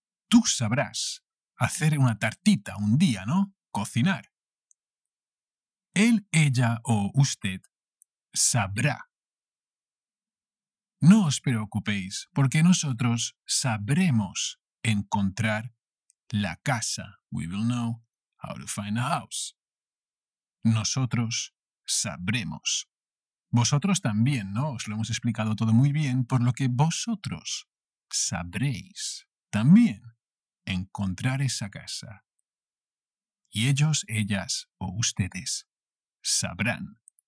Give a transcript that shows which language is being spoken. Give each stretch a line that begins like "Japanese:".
Spanish: Tú sabrás hacer una tartita un día, ¿no? Cocinar. Él, ella o usted sabrá. No os preocupéis, porque nosotros sabremos encontrar la casa.
English: We will know how to find a house.
Spanish: Nosotros sabremos. Vosotros también, ¿no? Os lo hemos explicado todo muy bien, por lo que vosotros sabréis también encontrar esa casa. Y ellos, ellas o ustedes sabrán.